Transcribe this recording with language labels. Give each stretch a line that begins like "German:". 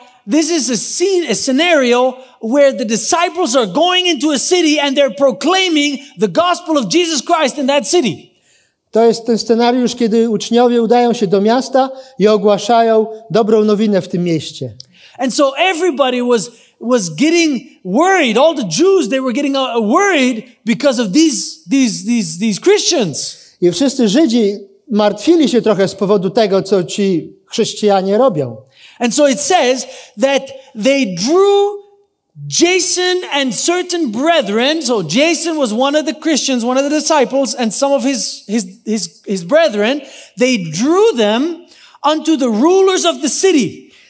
English: This is a scenario where the disciples are going into a city and they're proclaiming the gospel of Jesus Christ in that city.
Polish: To jest ten scenariusz, kiedy uczniowie udają się do miasta i ogłaszają dobrą nowinę w tym mieście.
English: And so everybody was getting worried. All the Jews, they were getting worried because of these Christians.
Polish: I wszyscy Żydzi martwili się trochę z powodu tego, co ci chrześcijanie robią.
English: And so it says that they drew Jason and certain brethren. So Jason was one of the Christians, one of the disciples, and some of his brethren. They drew them unto the rulers of the city.